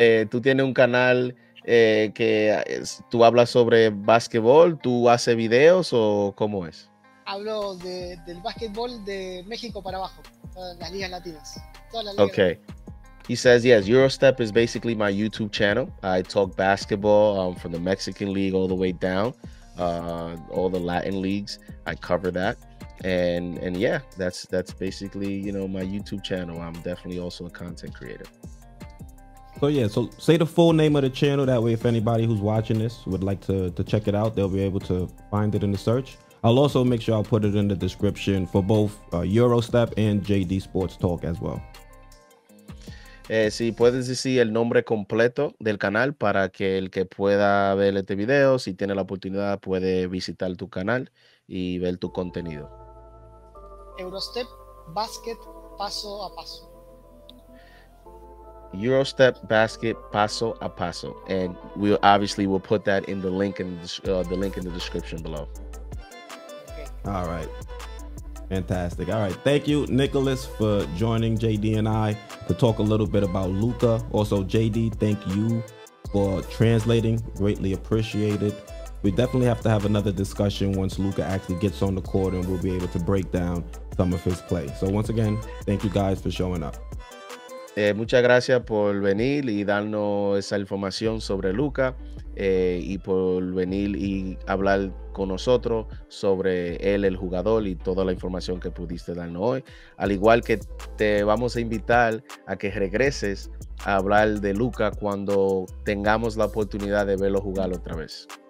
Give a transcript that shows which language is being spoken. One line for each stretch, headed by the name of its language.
Spanish: Tú tienes un canal que tú hablas sobre basketball, tú haces videos o cómo es? Hablo del basketball de México para abajo, las ligas latinas. Todas las ligas.
English: Okay. He says, yes, Eurostep is basically my YouTube channel. I talk basketball from the Mexican League all the way down, all the Latin leagues. I cover that. And yeah, that's basically, you know, my YouTube channel. I'm definitely also a content creator. So, yeah, so say the full name of the channel. That way, if anybody who's watching this would like to check it out, they'll be able to find it in the search. I'll also make sure I'll put it in the description for both Eurostep and JD Sports Talk as well.
Spanish: Si puedes decir el nombre completo del canal para que el que pueda ver este video, si tiene la oportunidad, puede visitar tu canal y ver tu contenido. Eurostep Basket Paso a Paso. Eurostep Basket Paso a Paso.
English: And we obviously will put that in the link in the description below. Okay. All right. Fantastic. All right. Thank you, Nicholas, for joining JD and I to talk a little bit about Luka. Also, JD, thank you for translating. Greatly appreciated. We definitely have to have another discussion once Luka actually gets on the court and we'll be able to break down some of his play. So once again, thank you guys for showing up.
Spanish: Muchas gracias por venir y darnos esa información sobre Luka y por venir y hablar con nosotros sobre él, el jugador, y toda la información que pudiste darnos hoy. Al igual que te vamos a invitar a que regreses a hablar de Luka cuando tengamos la oportunidad de verlo jugar otra vez.